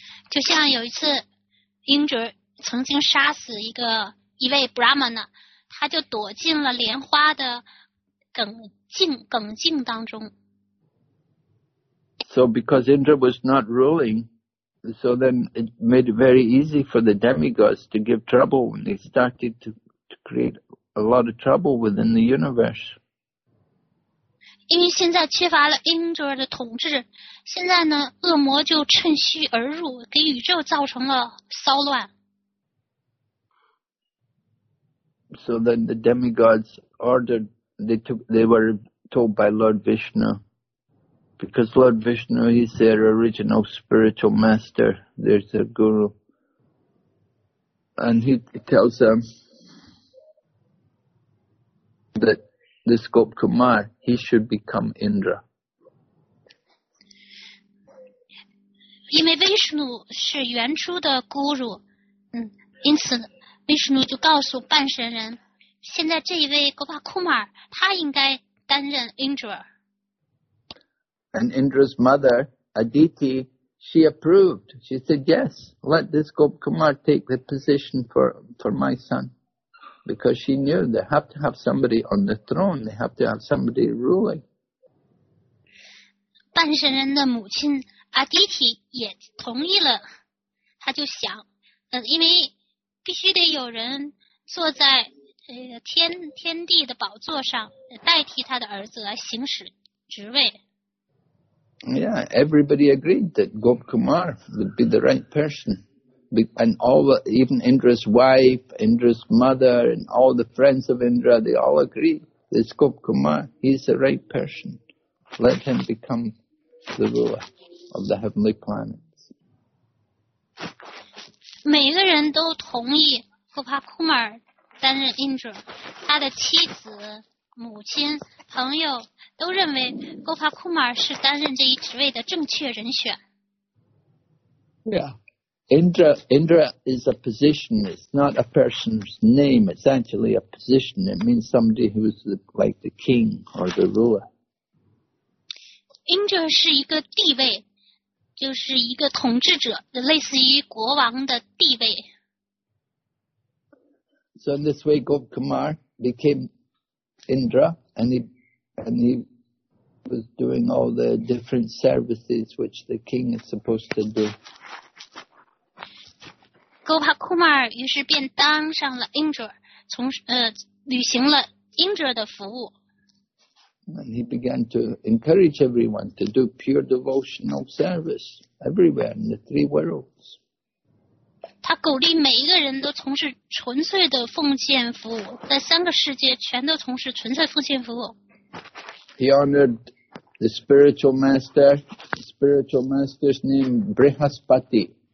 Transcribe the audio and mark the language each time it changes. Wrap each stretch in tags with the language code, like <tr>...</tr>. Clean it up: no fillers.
<zh>就像有一次 Indra 曾经杀死一位 brahmana, 他就躲进了莲花的梗茎当中。</zh> <en>So because Indra was not ruling, so then it made it very easy for the demigods to give trouble and they started to create a lot of trouble within the universe.</en> <zh>因为现在缺乏了 Indra 的统治，现在呢，恶魔就趁虚而入，给宇宙造成了骚乱。</zh> <en>So then the demigods ordered, they were told by Lord Vishnu, because Lord Vishnu is their original spiritual master, there's their guru, and he tells them that. This Gopkumar, he should become Indra.</en> <zh>因为 Vishnu 是原初的 Guru, 因此 Vishnu 就告诉半神人，现在这一位 Gopakumar, 他应该担任 Indra.</zh> <en>And Indra's mother, Aditi, she approved. She said, yes, let this Gopkumar take the position for my son. Because she knew they have to have somebody on the throne, they have to have somebody ruling.</en> <zh>半神人的母亲阿迪提也同意了，他就想，因为必须得有人坐在天地的宝座上，代替他的儿子来行使职位。</zh> <en>Yeah, everybody agreed that Gop Kumar would be the right person. And all, even Indra's wife, Indra's mother, and all the friends of Indra, they all agreed that Gop Kumar, he's the right person. Let him become the ruler of the heavenly planets.</en> <zh>每个人都同意 Gop Kumar 担任 Indra, 他的妻子母亲、朋友都认为 Gopa Kumar 是担任这一职位的正确人选。</zh> <en>Yeah, Indra is a position. It's not a person's name. It's actually a position. It means somebody who's like the king or the ruler.</en> <zh>Indra 是一个地位，就是一个统治者，类似于国王的地位。</zh> <en>So in this way, Gopa Kumar became. Indra, and he was doing all the different services which the king is supposed to do.</en> <zh>Gopa Kumar 于是便当上了 Indra, 从履行了 Indra 的服务。</zh> <en>And he began to encourage everyone to do pure devotional service everywhere in the three worlds.</en> <zh>他鼓励每一个人都从事纯粹的奉献服务，在三个世界全都从事纯粹奉献服务。</zh> <en>He honored the spiritual master, the spiritual master's name Brihaspati.</en>